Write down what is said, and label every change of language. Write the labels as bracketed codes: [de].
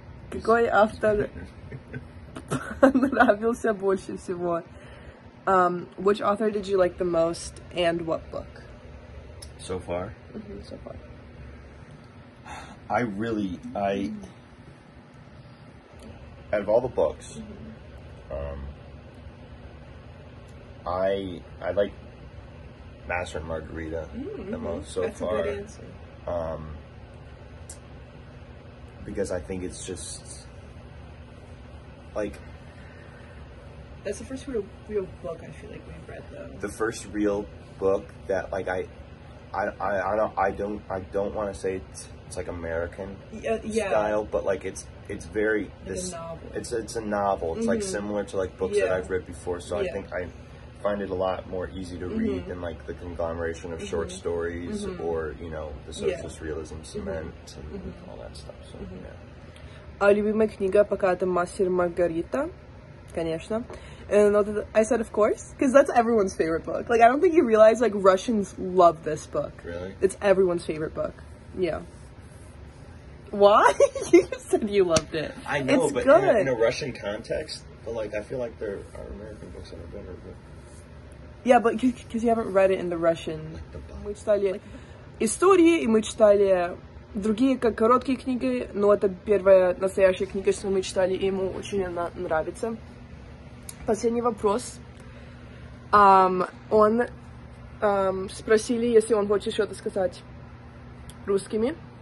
[ru] Какой автор понравился больше всего? [en] Which author did you like the most, and what book? So far? Mm-hmm, so far. I mm-hmm. out of all the books, mm-hmm. I like Master and Margarita mm-hmm. the most so That's far. A good answer. because I think it's just like that's the first real book I feel like we've read though. The first real book that like I don't want to say it's like American style, but like it's very like this a novel. It's a novel. It's mm-hmm. like similar to like books that I've read before, so I think I find it a lot more easy to read than like the conglomeration of short stories or you know the socialist realism cement and all that stuff. So [ru] А любимая книга пока это Мастер и Маргарита, конечно. [en] And I said, of course, because that's everyone's favorite book. Like, I don't think you realize, like, Russians love this book. Really? It's everyone's favorite book. Yeah. Why? You said you loved it. I know, it's but good. In a Russian context, but, like, I feel like there are American books that are better. But... Yeah, but because you haven't read it in the Russian. Like, [ru] мы читали истории, и мы читали другие, как короткие книги, но это первая настоящая книга, что мы читали, и ему очень она нравится. Последний вопрос. Спросили, если он хочет что-то сказать русскими.